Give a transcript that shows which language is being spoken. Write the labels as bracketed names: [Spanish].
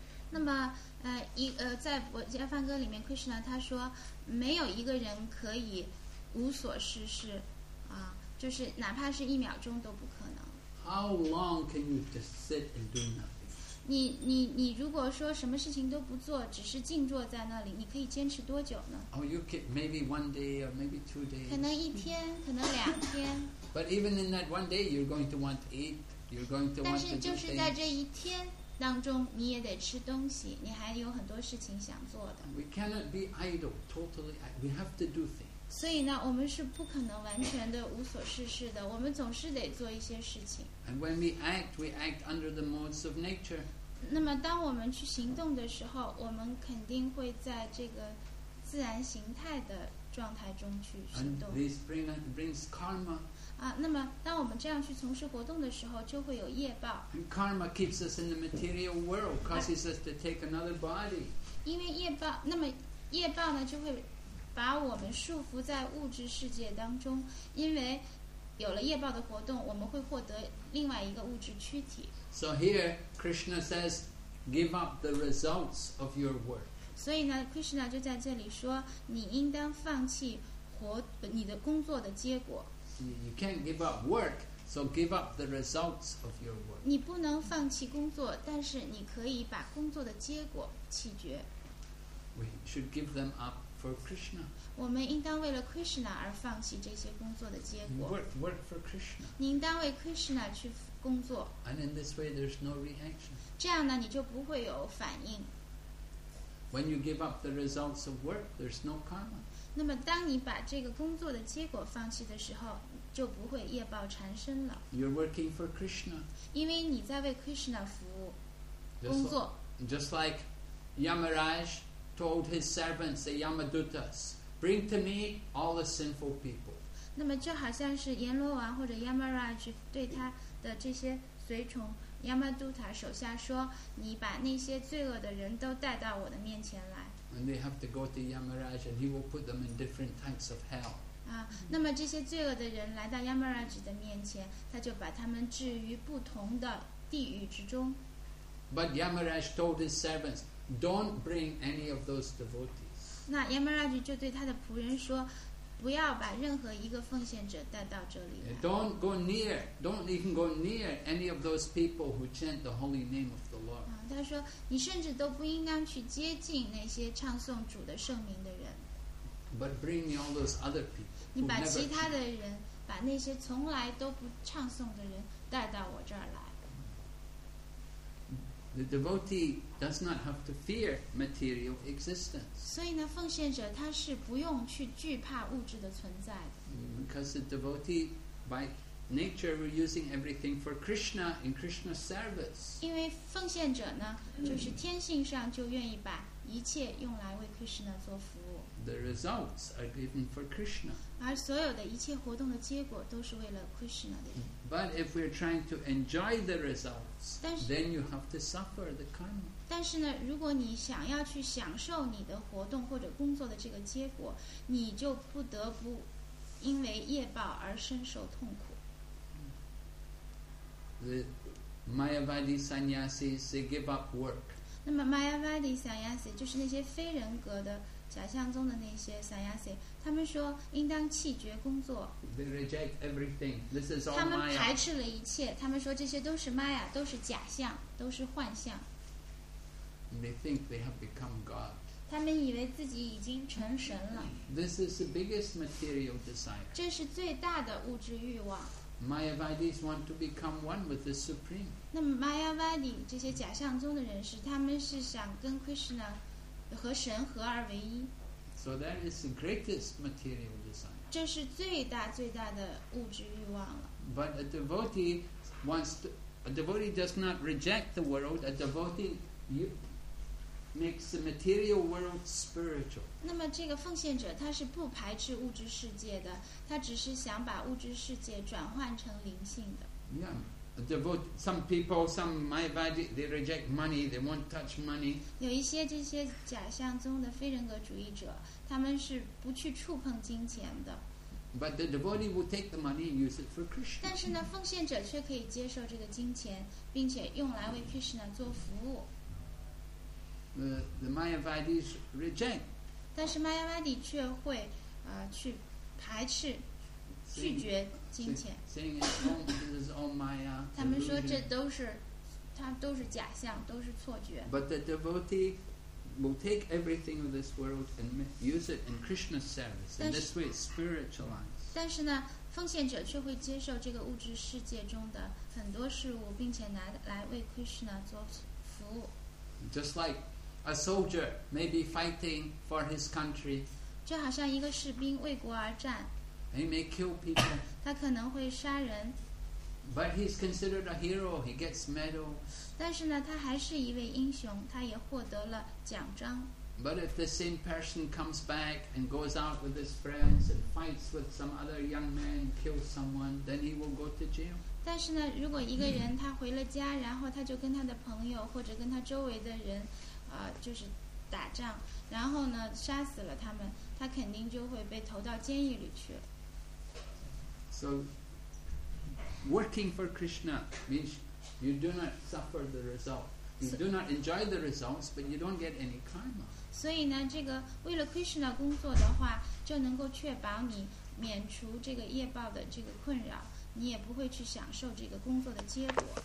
[Chinese] 那么在《维吉亚梵歌》里面 Krishna 他说没有一个人可以无所事事，就是哪怕是一秒钟都不可能。 [English] How long can you just sit and do nothing? [Chinese] 你如果说什么事情都不做，只是静坐在那里，你可以坚持多久呢？ [English] Oh, you can, maybe one day or maybe 2 days. [Chinese] 可能一天，可能两天。 [English] But even in that one day, you're going to want to eat. You're going to want to do things. [Chinese] 但是就是在这一天当中，你也得吃东西，你还有很多事情想做的。 [English] We cannot be idle, totally idle. We have to do things. [Chinese] 所以呢，我们是不可能完全的无所事事的，我们总是得做一些事情。 [English] And when we act under the modes of nature. [Chinese] 那么当我们去行动的时候，我们肯定会在这个自然形态的状态中去行动。 [English] And this brings karma. [Chinese] 那么当我们这样去从事活动的时候，就会有业报。 [English] And karma keeps us in the material world, causes us to take another body. [Chinese] 因为业报，那么业报呢，就会把我们束缚在物质世界当中，因为有了业报的活动，我们会获得另外一个物质躯体。 [English] So here, Krishna says, give up the results of your work. [Chinese] 所以呢 ，Krishna 就在这里说，你应当放弃你的工作的结果。 [English] You can't give up work, so give up the results of your work. [Chinese] 你不能放弃工作，但是你可以把工作的结果弃绝。 [English] We should give them up for Krishna. [Chinese] 我们应当为了 Krishna 而放弃这些工作的结果。 [English] Work for Krishna. [Chinese] 你应当为 Krishna 去工作。 [English] And in this way, there's no reaction. [Chinese] 这样呢，你就不会有反应。 [English] When you give up the results of work, there's no karma. [Chinese] 那么当你把这个工作的结果放弃的时候，就不会业报缠身了。 [English] You're working for Krishna. [Chinese] 因为你在为 Krishna 服务工作。 [English] Just like Yamaraj told his servants, the Yamadutas, bring to me all the sinful people. [Chinese] 那么就好像是阎罗王或者 Yamaraj 对他的这些随从 Yamaduta 手下说，你把那些罪恶的人都带到我的面前来。 [English] And they have to go to Yamaraj, and he will put them in different types of hell. [Chinese] 那么这些罪恶的人来到 Yamaraj 的面前，他就把他们置于不同的地狱之中。 [English] But Yamaraj told his servants, "Don't bring any of those devotees." [Chinese] 那 Yamaraj 就对他的仆人说，不要把任何一个奉献者带到这里来。 [English] Don't go near. Don't even go near any of those people who chant the holy name of the Lord. [Chinese] 他说，你甚至都不应当去接近那些唱诵主的圣名的人。 [English] But bring me all those other people. [Chinese] 你把其他的人，把那些从来都不唱诵的人带到我这儿来。 [English] The devotee does not have to fear material existence. [Chinese] 所以呢，奉献者他是不用去惧怕物质的存在的。 [English] Because the devotee, by nature, we're using everything for Krishna in Krishna's service. [Chinese] 因为奉献者呢，就是天性上就愿意把一切用来为 Krishna 做服务。 [English] The results are given for Krishna. [Chinese] 而所有的一切活动的结果都是为了 Krishna 的。 [English] But if we're trying to enjoy the results, then you have to suffer the karma. [Chinese] 但是呢，如果你想要去享受你的活动或者工作的这个结果，你就不得不因为业报而深受痛苦。 [English] The Mayavadi sannyasis, they give up work. [Chinese] 那么 Mayavadi sannyasis 就是那些非人格的假象中的那些 sannyasi， 他们说应当弃绝工作。 [English] They reject everything. This is all Maya. [Chinese] 他们排斥了一切，他们说这些都是 Maya， 都是假象，都是幻象。 [English] They think they have become God. [Chinese] 他们以为自己已经成神了。 [English] This is the biggest material desire. [Chinese] 这是最大的物质欲望。 [English] Mayavadis want to become one with the Supreme. [Chinese] 那么 Mayavadi 这些假象中的人士，他们是想跟 Krishna 和神合而为一。 [English] So that is the greatest material desire. [Chinese] 这是最大最大的物质欲望了。 [English] But a devotee wants to, a devotee does not reject the world. A devotee makes the material world spiritual. [Chinese] 那么这个奉献者他是不排斥物质世界的，他只是想把物质世界转换成灵性的。 [English] Yeah. A devotee, some people, some Mayavadi, they reject money, they won't touch money. [Chinese] 有一些这些假象宗的非人格主义者，他们是不去触碰金钱的。 [English] But the devotee will take the money and use it for Krishna. [Chinese] 但是呢，奉献者却可以接受这个金钱，并且用来为 Krishna 做服务。 [English] The Mayavadis reject. [Chinese] 但是 Mayavadi 却会去排斥。拒绝金钱。 [English] Saying it's all Maya, [Chinese] 他们说这都是，它都是假象，都是错觉。 [English] But the devotee will take everything of this world and use it in Krishna's service, and this way it's spiritualized. [Chinese] 但是呢，奉献者却会接受这个物质世界中的很多事物，并且拿来为 Krishna 做服务。 [English] Just like a soldier may be fighting for his country. [Chinese] 就好像一个士兵为国而战。 [English] He may kill people. [Chinese] 他可能会杀人。 [English] But he's considered a hero. He gets medal. [Chinese] 但是呢，他还是一位英雄，他也获得了奖章。 [English] But if the same person comes back and goes out with his friends and fights with some other young man, kills someone, then he will go to jail. [Chinese] 但是呢，如果一个人他回了家，然后他就跟他的朋友或者跟他周围的人，就是打仗，然后呢杀死了他们，他肯定就会被投到监狱里去了。 [English] So, working for Krishna means you do not suffer the result. You do not enjoy the results, but you don't get any karma. [Chinese] 所以呢，这个为了 Krishna 工作的话，就能够确保你免除这个业报的这个困扰，你也不会去享受这个工作的结果。